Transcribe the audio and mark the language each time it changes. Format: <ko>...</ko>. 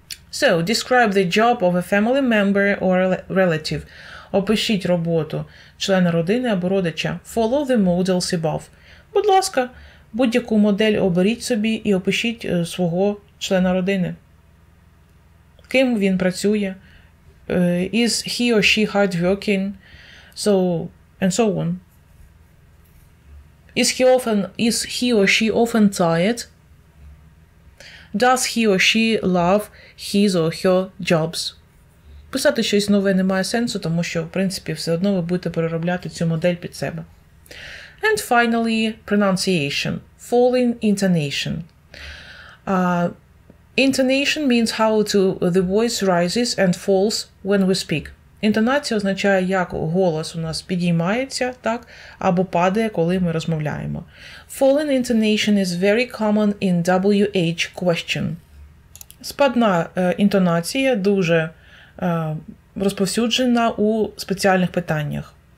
<en>So, describe the job of a family member or relative.</en> <uk>Опишіть роботу члена родини або родича.</uk> <en>Follow the models above.</en> <uk>Будь ласка, будь-яку модель оберіть собі і опишіть свого члена родини. Ким він працює?</uk> <en>Is he or she hardworking? So, and so on. Is he or she often tired? Does he or she love his or her jobs?</en> <uk>Писати щось нове не має сенсу, тому що, в принципі, все одно ви будете переробляти цю модель під себе.</uk> <en>And finally, pronunciation. Falling intonation. Intonation means how the voice rises and falls when we speak.</en> <uk>Інтонація означає, як голос у нас підіймається, так, або падає, коли ми розмовляємо.</uk> <en>Falling intonation is very common in WH question.</en> <uk>Спадна інтонація дуже розповсюджена у спеціальних питаннях.</uk>